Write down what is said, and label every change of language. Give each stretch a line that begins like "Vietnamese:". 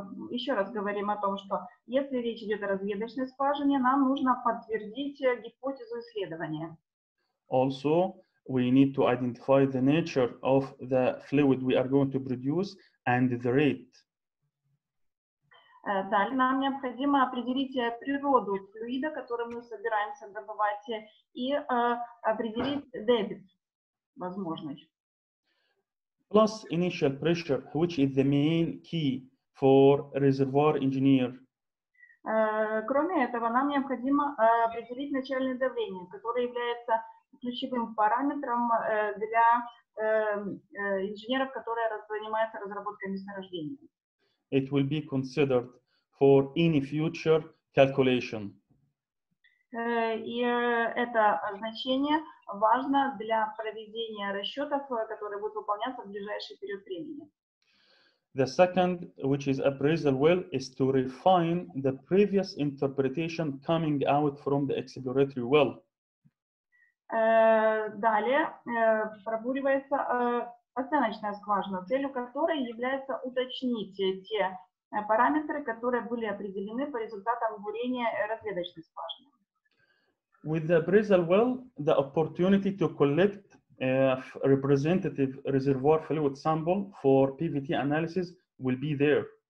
Russian: Еще раз говорим о том, что если речь идет о разведочной скважине, нам нужно подтвердить гипотезу исследования.
English: Also, we need to identify the nature of the fluid we are going to produce and the rate.
Russian: Далее нам необходимо определить природу флюида, который мы собираемся добывать, и определить дебит, возможность.
English: Plus initial pressure, which is the main key for reservoir engineer.
Russian: Кроме этого, нам необходимо определить начальное давление, которое является ключевым параметром для инженеров, которые занимаются разработкой месторождения.
English: It will be considered for any future calculation.
Russian: И это значение важно для проведения расчетов, которые будут выполняться в ближайший период времени.
English: The second, which is appraisal well, is to refine the previous interpretation coming out from the exploratory well.
Russian: Далее пробуривается оценочная скважина, целью которой является уточнить те параметры, которые были определены по результатам бурения разведочной скважины.
English: With the appraisal well, the opportunity to collect a representative reservoir fluid sample for PVT analysis will be there.